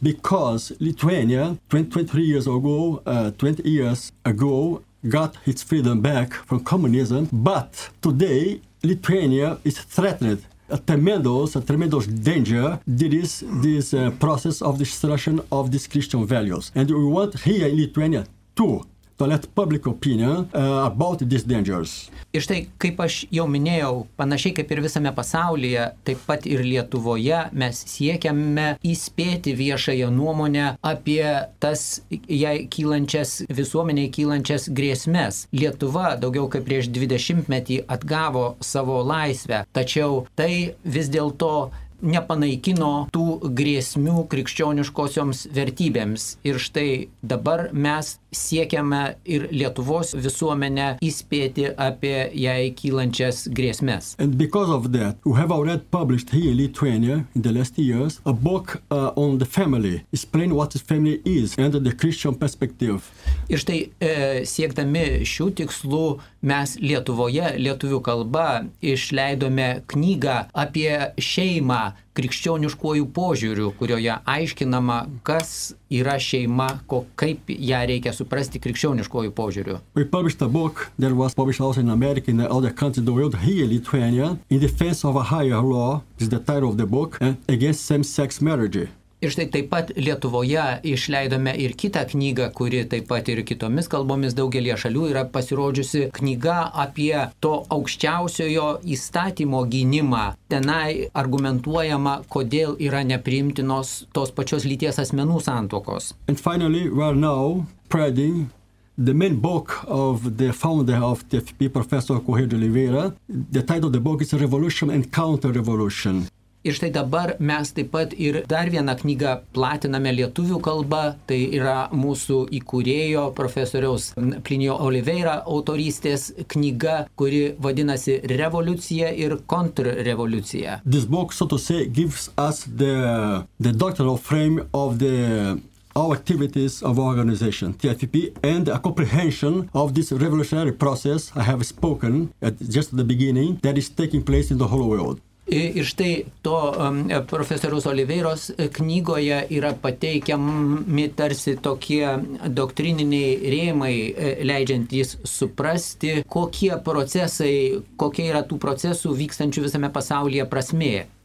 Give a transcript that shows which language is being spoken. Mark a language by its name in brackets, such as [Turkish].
[English] Because Lithuania, 20 years ago, got its freedom back from communism, but today Lithuania is threatened, a tremendous danger. There is this process of destruction of these Christian values, and we want here in Lithuania to let public opinion about these dangers. [Lithuanian] Ir štai, kaip aš jau minėjau, panašiai kaip ir visame pasaulyje, taip pat ir Lietuvoje, mes siekiame įspėti viešąją nuomonę apie tas jai kylančias, visuomeniai kylančias grėsmes. Lietuva daugiau kaip prieš 20-metį atgavo savo laisvę, tačiau tai vis dėlto nepanaikino tų grėsmių krikščioniškosioms vertybėms. Ir štai dabar mes siekiame ir Lietuvos visuomenę įspėti apie jai kylančias grėsmes. [English] And because of that, we have already published here in Lithuania in the last years a book on the family, explain what the family is under the Christian perspective. [Lithuanian] Ir štai siekdami šių tikslų, mes Lietuvoje, lietuvių kalba, išleidome knygą apie šeimą krikščioniškuoju požiūriu, kurioje aiškinama, kas yra šeima, kaip ją reikia suprasti krikščioniškuoju požiūriu. [English] We published a book that was published also in America and other countries in the world, here in Lithuania, in defense of a higher law, is the title of the book, and against same-sex marriage. [Lithuanian] Ir štai taip pat Lietuvoje išleidome ir kitą knygą, kuri taip pat ir kitomis kalbomis daugelie šalių yra pasirodžiusi, knyga apie to aukščiausiojo įstatymo gynimą. Tenai argumentuojama, kodėl yra nepriimtinos tos pačios lyties asmenų santuokos. [English] And finally, we are now spreading the main book of the founder of TFP, Professor Jorge de Oliveira. The title of the book is Revolution and Counter-Revolution. [Lithuanian] Ir štai dabar mes taip pat ir dar vieną knygą platiname lietuvių kalba, tai yra mūsų įkūrėjo profesoriaus Plinio Oliveira autorystės knyga, kuri vadinasi Revoliucija ir kontrrevoliucija. [English] This book, so to say, gives us the doctrinal frame of the our activities of our organization, TFP, and a comprehension of this revolutionary process I have spoken at just the beginning that is taking place in the whole world. [Lithuanian] Ir štai to profesoriaus Oliveiros knygoje yra pateikiami tarsi tokie doktrininiai rėmai, leidžiantys suprasti, kokie procesai, kokie yra tų procesų vykstančių visame pasaulyje prasmė.